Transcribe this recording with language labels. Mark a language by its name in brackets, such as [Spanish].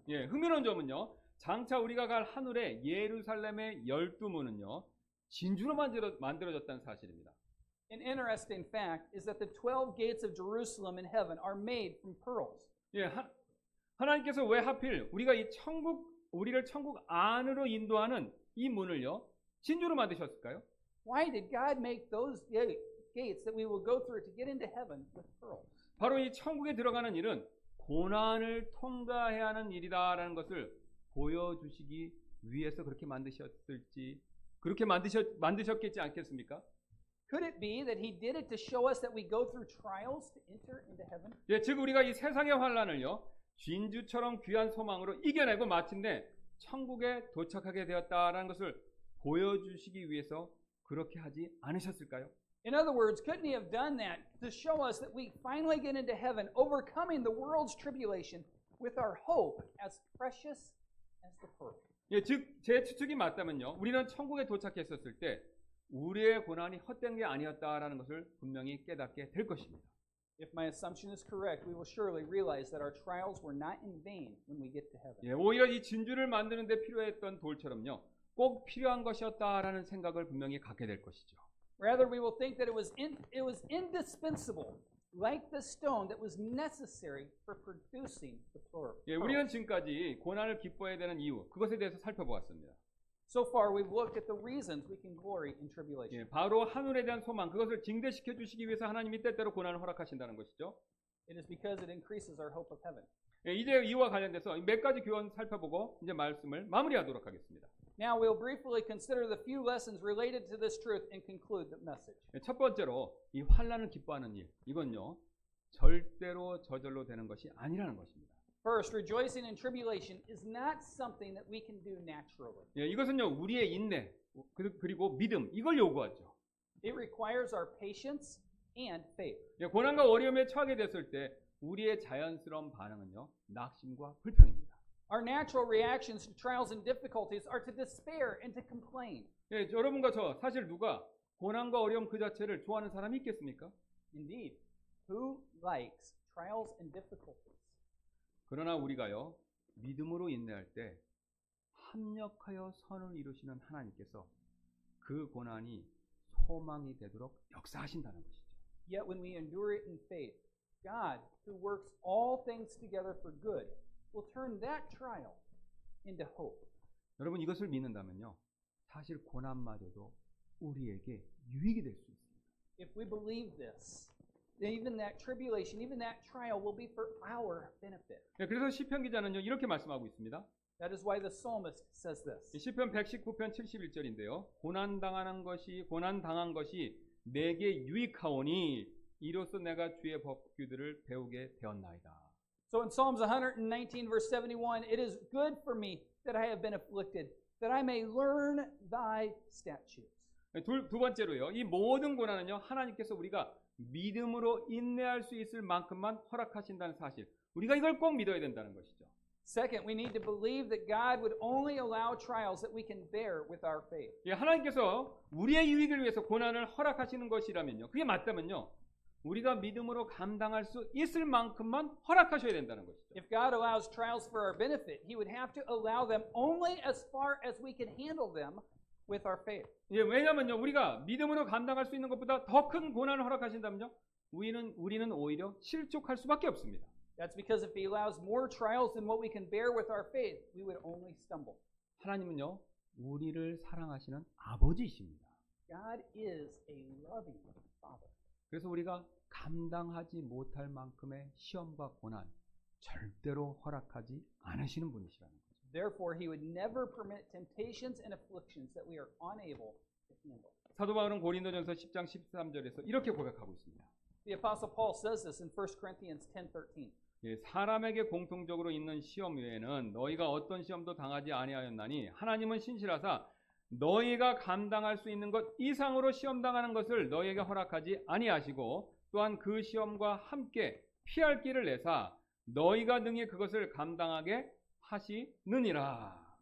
[Korean] 예, 흥미로운 점은요, 장차 우리가 갈 하늘의 예루살렘의 열두 문은요, 진주로 만들어졌다는 사실입니다. [English] An interesting fact is that the 12 gates of Jerusalem in heaven are made from pearls. [Korean] 예, 하나님께서 왜 하필 우리가 이 천국, 우리를 천국 안으로 인도하는 이 문을요, 진주로 만드셨을까요? [English] Why did God make those gates that we will go through to get into heaven with pearls? [Korean] 바로 이 천국에 들어가는 일은 고난을 통과해야 하는 일이다라는 것을 보여주시기 위해서 그렇게 만드셨겠지 않겠습니까? [English] Could it be that he did it to show us that we go through trials to enter into heaven? [Korean] 예, 즉 우리가 이 세상의 환난을요 진주처럼 귀한 소망으로 이겨내고 마침내 천국에 도착하게 되었다라는 것을 보여주시기 위해서 그렇게 하지 않으셨을까요? [English] In other words, couldn't he have done that to show us that we finally get into heaven, overcoming the world's tribulation with our hope as precious as the pearl? [Korean] 예, 즉 제 추측이 맞다면요, 우리는 천국에 도착했었을 때 우리의 고난이 헛된 게 아니었다라는 것을 분명히 깨닫게 될 것입니다. [English] If my assumption is correct, we will surely realize that our trials were not in vain when we get to heaven. [Korean] 예, 오히려 이 진주를 만드는 데 필요했던 돌처럼요, 꼭 필요한 것이었다라는 생각을 분명히 갖게 될 것이죠. [English] Rather, we will think that it was indispensable, like the stone that was necessary for producing the pearl. [Korean] 예, 우리는 지금까지 고난을 기뻐해야 되는 이유, 그것에 대해서 살펴보았습니다. [English] So far, we've looked at the reasons we can glory in tribulation. [Korean] 예, 바로 하늘에 대한 소망, 그것을 증대시켜 주시기 위해서 하나님이 때때로 고난을 허락하신다는 것이죠. [English] It is because it increases our hope of heaven. [Korean] 예, 이제 이와 관련돼서 몇 가지 교훈 살펴보고 이제 말씀을 마무리하도록 하겠습니다. [English] Now we'll briefly consider the few lessons related to this truth and conclude the message. [Korean] 첫 번째로 이 환난을 기뻐하는 일 이건요 절대로 저절로 되는 것이 아니라는 것입니다. [English] First, rejoicing in tribulation is not something that we can do naturally. [Korean] 예, 이것은요 우리의 인내 그리고 믿음 이걸 요구하죠. [English] It requires our patience and faith. [Korean] 예, 고난과 어려움에 처하게 됐을 때 우리의 자연스러운 반응은요 낙심과 불평입니다. [English] Our natural reactions to trials and difficulties are to despair and to complain. [Korean] 예, 여러분과 저 사실 누가 고난과 어려움 그 자체를 좋아하는 사람이 있겠습니까? [English] Indeed, who likes trials and difficulties? [Korean] 그러나 우리가요 믿음으로 인내할 때 합력하여 선을 이루시는 하나님께서 그 고난이 소망이 되도록 역사하신다는 것이죠. [English] Yet when we endure it in faith, God, who works all things together for good, will turn that trial into hope. [Korean] 여러분 이것을 믿는다면요, 사실 고난마저도 우리에게 유익이 될 수 있습니다. [English] If we believe this, then even that tribulation, even that trial, will be for our benefit. [Korean] 네, 그래서 시편 기자는요 이렇게 말씀하고 있습니다. [English] That is why the psalmist says this. [Korean] 시편 119편 71절인데요, 고난 당한 것이 내게 유익하오니 이로써 내가 주의 법규들을 배우게 되었나이다. [English] So in Psalms 119 verse 71, it is good for me that I have been afflicted, that I may learn thy statutes. [Korean] 두 번째로요. 이 모든 고난은요. 하나님께서 우리가 믿음으로 인내할 수 있을 만큼만 허락하신다는 사실. 우리가 이걸 꼭 믿어야 된다는 것이죠. [English] Second, we need to believe that God would only allow trials that we can bear with our faith. [Korean] 예, 하나님께서 우리의 유익을 위해서 고난을 허락하시는 것이라면요. 그게 맞다면요. 우리가 믿음으로 감당할 수 있을 만큼만 허락하셔야 된다는 것이죠. [English] If God allows trials for our benefit, He would have to allow them only as far as we can handle them with our faith. [Korean] 예, 왜냐하면요, 우리가 믿음으로 감당할 수 있는 것보다 더 큰 고난을 허락하신다면요, 우리는 오히려 실족할 수밖에 없습니다. [English] That's because if He allows more trials than what we can bear with our faith, we would only stumble. [Korean] 하나님은요, 우리를 사랑하시는 아버지이십니다. [English] God is a loving Father. [Korean] 그래서 우리가 감당하지 못할 만큼의 시험과 고난 절대로 허락하지 않으시는 분이시라는 거죠. [English] Therefore, He would never permit temptations and afflictions that we are unable to handle. [Korean] 사도 바울은 고린도전서 10장 13절에서 이렇게 고백하고 있습니다. [English] The Apostle Paul says this in 1 Corinthians 10:13. [Korean] 예, 사람에게 공통적으로 있는 시험 외에는 너희가 어떤 시험도 당하지 아니하였나니 하나님은 신실하사 너희가 감당할 수 있는 것 이상으로 시험 당하는 것을 너희에게 허락하지 아니하시고 또한 그 시험과 함께 피할 길을 내사 너희가 능히 그것을 감당하게 하시느니라.